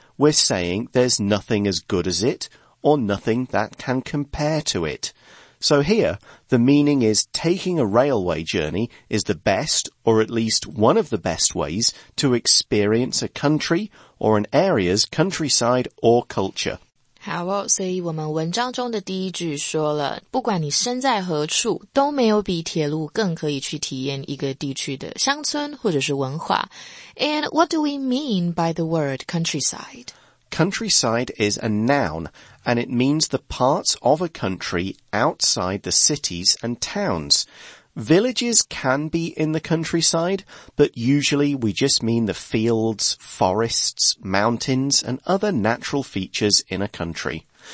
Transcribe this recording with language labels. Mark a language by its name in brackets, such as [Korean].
[English] We're saying there's nothing as good as it,or nothing that can compare to it. So here, the meaning is taking a railway journey is the best, or at least one of the best ways, to experience a country or an area's countryside or culture. [Chinese] 好哦，所以我们文章中的第一句说了，不管你身在何处，都没有比铁路更可以去体验一个地区的乡村或者是文化。 [English] And what do we mean by the word countryside? Countryside is a noun, and it means the parts of a country outside the cities and towns. Villages can be in the countryside, but usually we just mean the fields, forests, mountains, and other natural features in a country.